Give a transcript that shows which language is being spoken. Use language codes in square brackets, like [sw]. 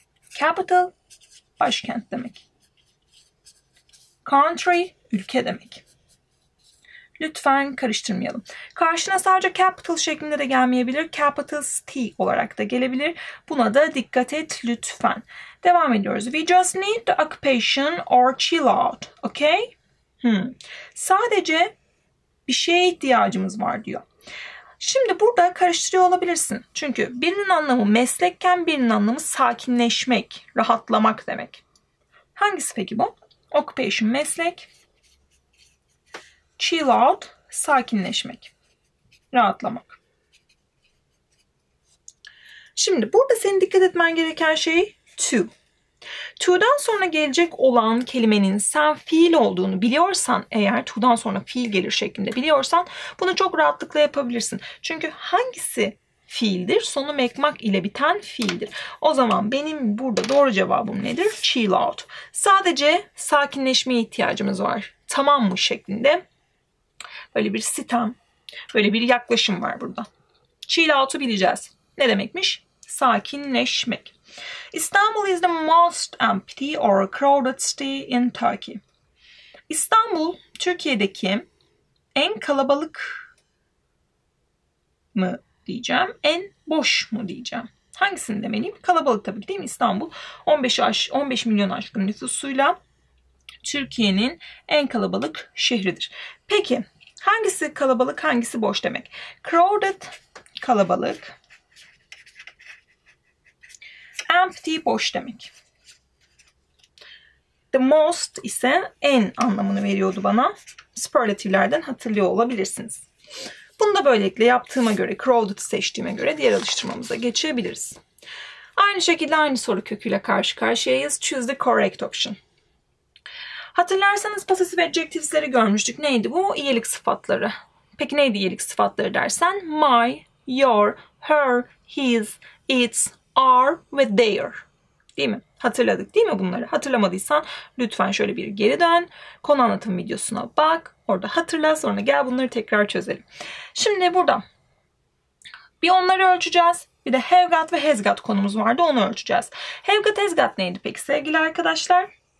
[tr] Capital, başkent demek. Country, ülke demek. Lütfen karıştırmayalım. Karşına sadece capital şeklinde de gelmeyebilir. Capital city olarak da gelebilir. Buna da dikkat et lütfen. Devam ediyoruz. [en] We just need the occupation or chill out. Okay? [tr] Sadece bir şeye ihtiyacımız var diyor. Şimdi burada karıştırıyor olabilirsin. Çünkü birinin anlamı meslekken birinin anlamı sakinleşmek, rahatlamak demek. Hangisi peki bu? Occupation meslek. Chill out sakinleşmek. Rahatlamak. Şimdi burada senin dikkat etmen gereken şey to. To'dan sonra gelecek olan kelimenin sen fiil olduğunu biliyorsan, eğer to'dan sonra fiil gelir şeklinde biliyorsan bunu çok rahatlıkla yapabilirsin. Çünkü hangisi fiildir? Sonu mekmak ile biten fiildir. O zaman benim burada doğru cevabım nedir? Chill out. Sadece sakinleşmeye ihtiyacımız var. Tamam mı şeklinde. Böyle bir sitem, böyle bir yaklaşım var burada. Chill out'u bileceğiz. Ne demekmiş? Sakinleşmek. [en] İstanbul is the most empty or crowded city in Turkey. [tr] İstanbul, Türkiye'deki en kalabalık mı diyeceğim, en boş mu diyeceğim? Hangisini demeliyim? Kalabalık tabii ki, değil mi? İstanbul 15 milyon aşkın nüfusuyla Türkiye'nin en kalabalık şehridir. Peki, hangisi kalabalık, hangisi boş demek? Crowded, kalabalık. Empty boş demek. The most ise en anlamını veriyordu bana. Superlatiflerden hatırlıyor olabilirsiniz. Bunu da böylelikle yaptığıma göre, crowded'ı seçtiğime göre diğer alıştırmamıza geçebiliriz. Aynı şekilde aynı soru köküyle karşı karşıyayız. [en] Choose the correct option. [tr] Hatırlarsanız possessive adjectives'leri görmüştük. Neydi bu? İyilik sıfatları. Peki neydi iyilik sıfatları dersen? [en] My, your, her, his, its, are ve they're. [tr] Değil mi? Hatırladık değil mi bunları? Hatırlamadıysan lütfen şöyle bir geri dön. Konu anlatım videosuna bak. Orada hatırla, sonra gel bunları tekrar çözelim. Şimdi burada bir onları ölçeceğiz. Bir de have got ve has got konumuz vardı. Onu ölçeceğiz. Have got, has got neydi peki sevgili arkadaşlar?